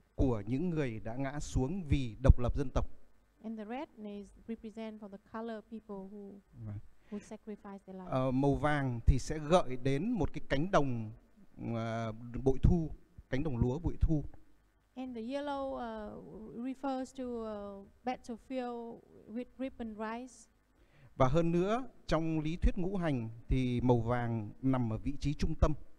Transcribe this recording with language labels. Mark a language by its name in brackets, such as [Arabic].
[Vietnamese] của những người đã ngã xuống vì độc lập dân tộc. [English] And the red is represent for the color people who sacrificed their life. [Vietnamese] Màu vàng thì sẽ gợi đến một cái cánh đồng bội thu, cánh đồng lúa bội thu. [English] And the yellow refers to a battlefield with ripened rice. [Vietnamese] Và hơn nữa, trong lý thuyết ngũ hành thì màu vàng nằm ở vị trí trung tâm.